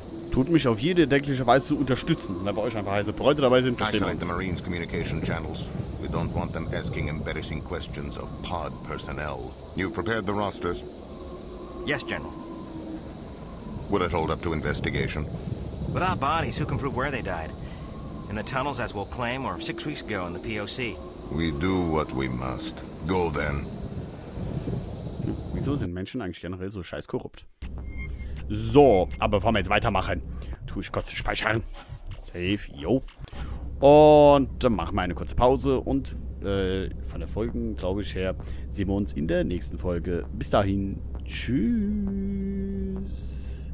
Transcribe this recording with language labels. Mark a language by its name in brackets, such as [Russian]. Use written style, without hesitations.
[German] Tut mich auf jede denkliche Weise zu unterstützen. Wenn bei euch einfach heiße Bräute dabei sind, verstehen wir uns. [English] The Marines' communication channels. We don't want them asking embarrassing questions of pod personnel. You've prepared the rosters? Yes, General. Will it hold up to investigation? Without bodies, who can prove where they died? In the tunnels, as we'll claim, or 6 weeks ago in the POC? We do what we must. Go then. [German] Wieso sind Menschen eigentlich generell so scheiß korrupt? So, aber bevor wir jetzt weitermachen, tue ich kurz speichern. Safe, yo. Und dann machen wir eine kurze Pause und von der Folge, glaube ich, her, sehen wir uns in der nächsten Folge. Bis dahin, tschüss.